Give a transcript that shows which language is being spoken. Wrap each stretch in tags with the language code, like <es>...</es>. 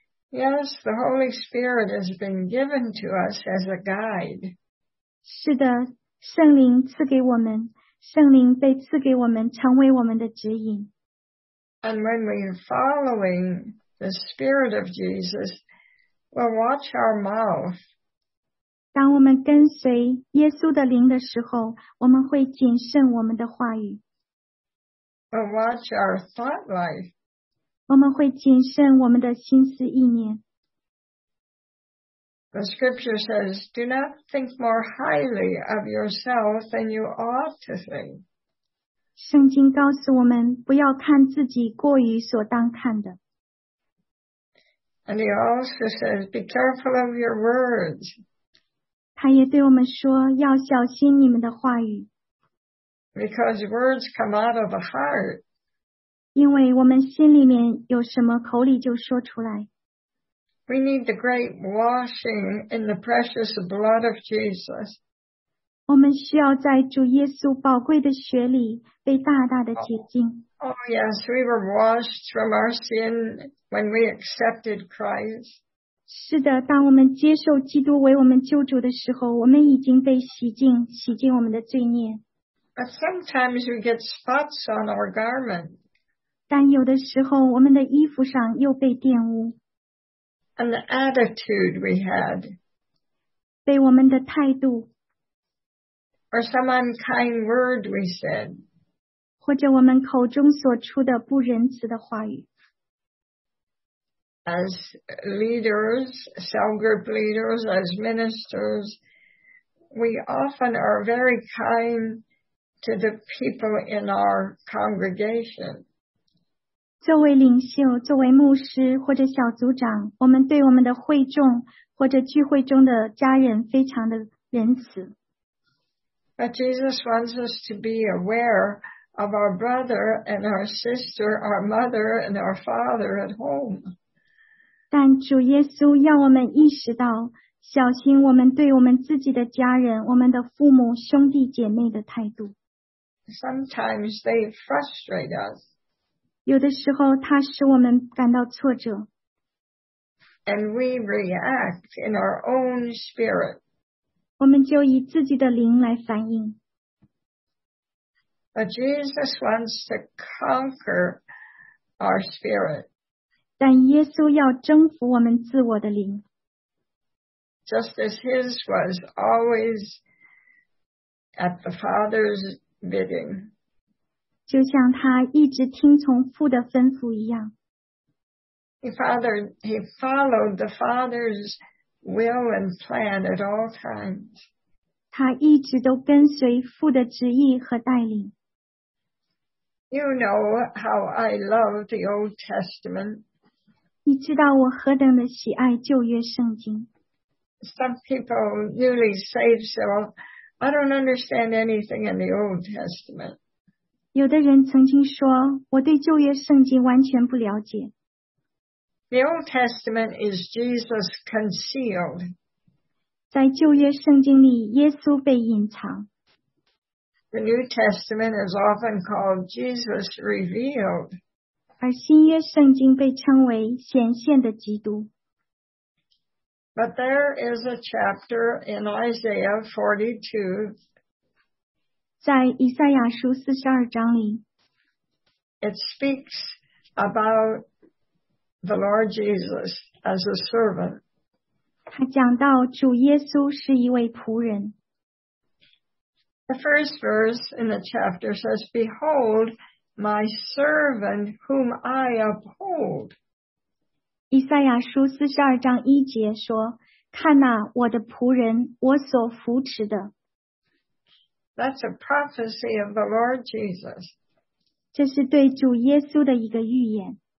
<en>Yes, the Holy Spirit has been given to us as a guide.</en> <zh>是的，圣灵赐给我们，圣灵被赐给我们，成为我们的指引。</zh> <en>And when we are following the Spirit of Jesus, we'll watch our mouth.</en> <zh>当我们跟随耶稣的灵的时候，我们会谨慎我们的话语。</zh> <en>We'll watch our thought life.</en> <zh>我们会谨慎我们的心思意念。</zh> <en>The scripture says, do not think more highly of yourself than you ought to think.</en> <zh>圣经告诉我们，不要看自己过于所当看的。</zh> <en>And he also says, be careful of your words.</en> <zh>他也对我们说，要小心你们的话语。</zh> <en>Because words come out of the heart.</en> <zh>因为我们心里面有什么，口里就说出来。</zh> <en>We need the great washing in the precious blood of Jesus.</en> <zh>我们需要在主耶稣宝贵的血里被大大的洁净。</zh> <en>Oh yes, we were washed from our sin when we accepted Christ.</en> <zh>是的，当我们接受基督为我们救主的时候，我们已经被洗净，洗净我们的罪孽。</zh> <en>But sometimes we get spots on our garment.</en> <zh>但有的时候，我们的衣服上又被玷污。</zh> <en>And the attitude we had.</en> <zh>被我们的态度。</zh> <en>Or some unkind word we said.</en> <zh>或者我们口中所出的不仁慈的话语。</zh> <en>As leaders, cell group leaders, as ministers, we often are very kind to the people in our congregation.</en> <zh>作为领袖，作为牧师或者小组长，我们对我们的会众或者聚会中的家人非常的仁慈。</zh> <en>But Jesus wants us to be aware of our brother and our sister, our mother and our father at home.</en> <zh>但主耶稣要我们意识到，小心我们对我们自己的家人，我们的父母、兄弟姐妹的态度。</zh> <en>Sometimes they frustrate us.</en> <zh>有的时候他使我们感到挫折。</zh> <en>And we react in our own spirit.</en> <zh>我们就以自己的灵来反应。</zh> <en>But Jesus wants to conquer our spirit.</en> <zh>但耶稣要征服我们自我的灵。</zh> <en>Just as his was always at the Father's bidding.</en> <zh>就像他一直听从父的吩咐一样。</zh> <en>He followed the Father's will and plan at all times.</en> <zh>他一直都跟随父的旨意和带领。</zh> <en>You know how I love the Old Testament.</en> <zh>你知道我何等的喜爱旧约圣经。</zh> <en>Some people newly saved, so I don't understand anything in the Old Testament.</en> <zh>有的人曾经说，我对旧约圣经完全不了解。</zh> <en>The Old Testament is Jesus concealed.</en> <zh>在旧约圣经里，耶稣被隐藏。</zh> <en>The New Testament is often called Jesus revealed.</en> <zh>而新约圣经被称为显现的基督。</zh> <en>But there is a chapter in Isaiah 42.</en> <zh>在以赛亚书四十二章里。</zh> <en>It speaks about the Lord Jesus as a servant.</en> <zh>他讲到主耶稣是一位仆人。</zh> <en>The first verse in the chapter says, Behold, my servant whom I uphold.</en> <zh>以赛亚书四十二章一节说，看哪，我的仆人，我所扶持的。</zh> <en>That's a prophecy of the Lord Jesus.</en> <zh>这是对主耶稣的一个预言。</zh>